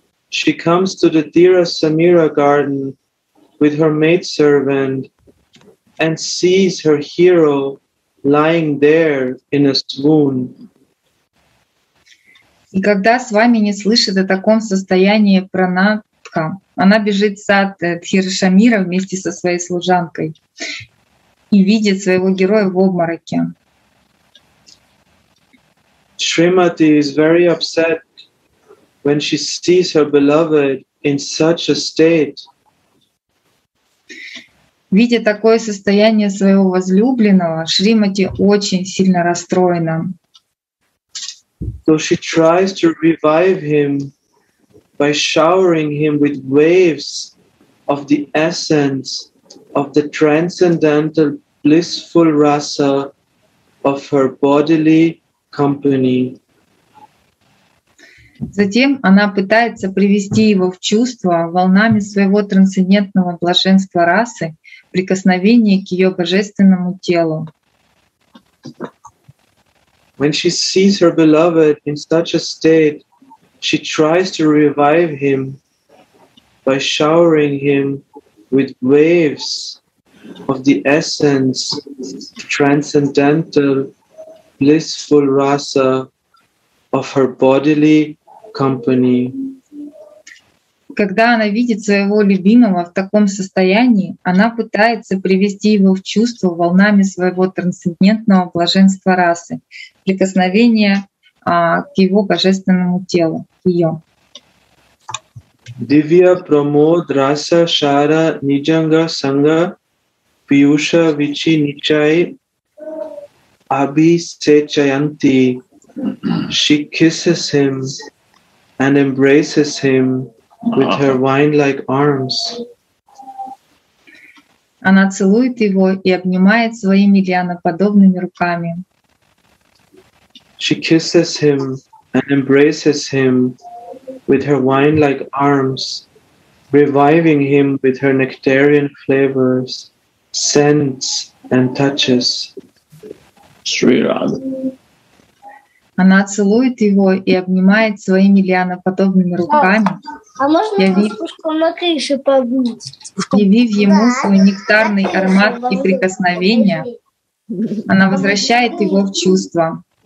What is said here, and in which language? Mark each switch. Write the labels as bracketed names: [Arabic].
[English] She comes to the Dira Samira garden with her maidservant and sees her hero lying there in a swoon. [Russian] И когда Свамини слышит о таком состоянии Пранатха, она бежит в сад Дхирашамира вместе со своей служанкой и видит своего героя в обмороке. [English] Шримати is very upset when she sees her beloved in such a state. [Russian] Видя такое состояние своего возлюбленного, Шримати очень сильно расстроена. [English] So she tries to revive him by showering him with waves of the essence of the transcendental blissful rasa of her bodily company. [Russian] Затем она пытается привести его в чувство волнами своего трансцендентного блаженства расы, прикосновение к ее божественному телу. [English] When she sees her beloved in such a state, she tries to revive him by showering him with waves of the essence of transcendental blissful rasa of her bodily company. [Russian] Когда она видит своего любимого в таком состоянии, она пытается привести его в чувство волнами своего трансцендентного блаженства расы, прикосновения к его божественному телу, к её. [Sanskrit] Divya Pramod Rasa Shara Nijanga Sanga Piyusha Vichi Nichai Abhi Sechayanti. [English] She kisses him and embraces him with her vine-like arms. [Russian] Она целует его и обнимает своими лианоподобными руками. [English] She kisses him and embraces him with her vine-like arms, reviving him with her nectarian flavors, scents and touches. Sri Radha. [Russian] Она целует его и обнимает своими лианоподобными руками. А можно с пушком на крыше побыть? Явив ему свой нектарный аромат и прикосновение, она возвращает его в чувство.